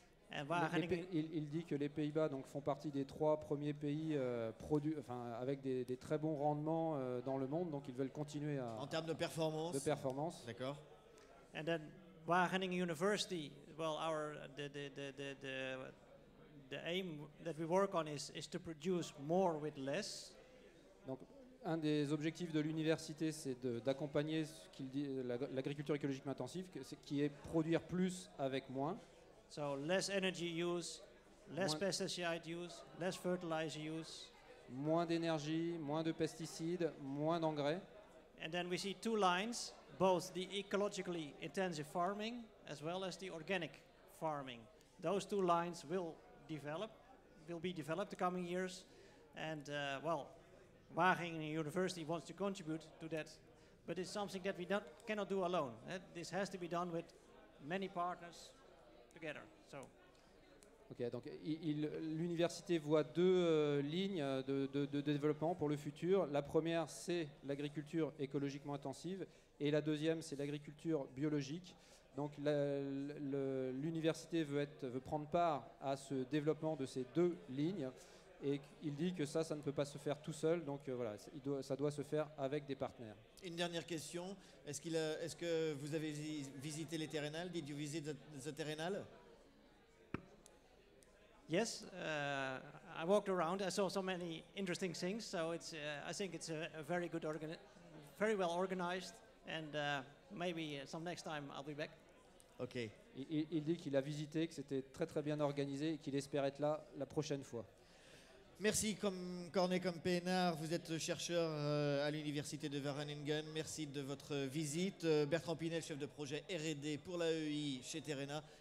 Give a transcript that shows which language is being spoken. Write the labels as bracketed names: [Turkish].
[French] And il dit que les Pays-Bas donc font partie des 3 premiers pays avec des très bons rendements dans le monde. Donc ils veulent continuer à en termes de performance. De performance. D'accord. [English] And then Wageningen University. Well, our the aim that we work on is to produce more with less. [French] Donc un des objectifs de l'université, c'est d'accompagner ce qu'il dit l'agriculture écologiquement intensive, qui est produire plus avec moins. [English] So less energy use, less pesticide use, less fertilizer use. [French] Moins d'énergie, moins de pesticides, moins d'engrais. [English] And then we see two lines, both the ecologically intensive farming as well as the organic farming. Those two lines will be developed the coming years, and well, Wageningen University wants to contribute to that, but it's something that we cannot do alone. This has to be done with many partners together. So. [French] Ok, donc l'université voit deux lignes de développement pour le futur. La première, c'est l'agriculture écologiquement intensive, et la deuxième, c'est l'agriculture biologique. Donc l'université veut prendre part à ce développement de ces deux lignes, et il dit que ça ne peut pas se faire tout seul, donc voilà, ça doit se faire avec des partenaires. Une dernière question, est-ce que vous avez visité les Terrenales? [English] Did you visit the Terrenales? Yes, I walked around, I saw so many interesting things, so it's, I think it's a very good very well organized, and maybe some next time I'll be back. Okay. [French] Il dit qu'il a visité, que c'était très très bien organisé et qu'il espère être là la prochaine fois. Merci Corné Campenaar, vous êtes chercheur à l'université de Wageningen. Merci de votre visite. Bertrand Pinel, chef de projet R&D pour l'AEI chez Terena.